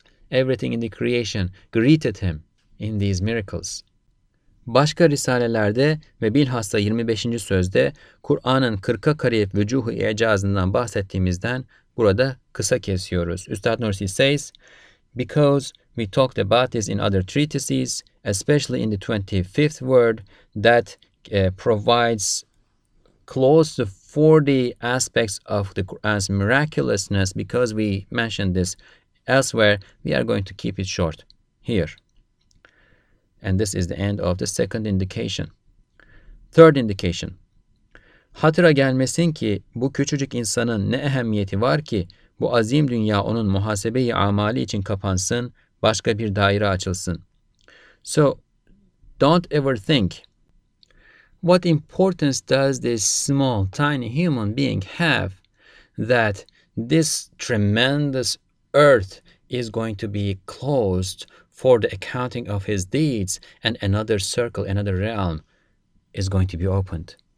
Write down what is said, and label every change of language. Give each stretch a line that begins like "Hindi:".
English: Everything in the creation greeted him in these miracles.
Turkish: Başka risalelerde ve bilhassa 25. sözde Kur'an'ın 40'a kare vücuhu i'cazından bahsettiğimizden burada kısa kesiyoruz.
English: Üstad Nursi says, because we talked about this in other treatises, especially in the 25th word that provides close to 40 aspects of the Quran's miraculousness, because we mentioned this elsewhere, we are going to keep it short here. And this is the end of the second indication. Third indication.
Turkish: Hatıra gelmesin ki bu küçücük insanın ne ehemmiyeti var ki bu azim dünya onun muhasebe-i amali için kapansın, başka bir daire açılsın.
English: So, don't ever think, what importance does this small, tiny human being have that this tremendous earth is going to be closed for the accounting of his deeds, and another circle, another realm is going to be opened.